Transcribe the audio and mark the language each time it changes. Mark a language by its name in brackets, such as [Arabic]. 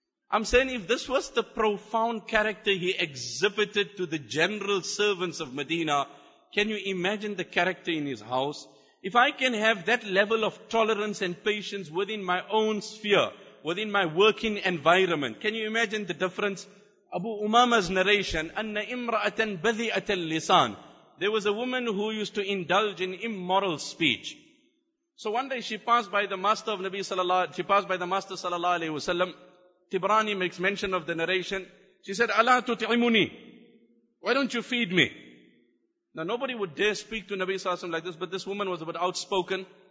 [English] I'm saying, if this was the profound character he exhibited to the general servants of Medina, can you imagine the character in his house? If I can have that level of tolerance and patience within my own sphere, within my working environment, can you imagine the difference? Abu Umama's narration, [Arabic] أَنَّ إِمْرَأَةً بَذِئَةَ اللِّسَانِ. [English] There was a woman who used to indulge in immoral speech. So one day she passed by the Master sallallahu alayhi wasallam. Tibrani makes mention of the narration. She said, [Arabic] أَلَا تُطْعِمُنِي. [English] Why don't you feed me? Now, nobody would dare speak to Nabi sallallahu alaihi wasallam like this, but this woman was a bit outspoken.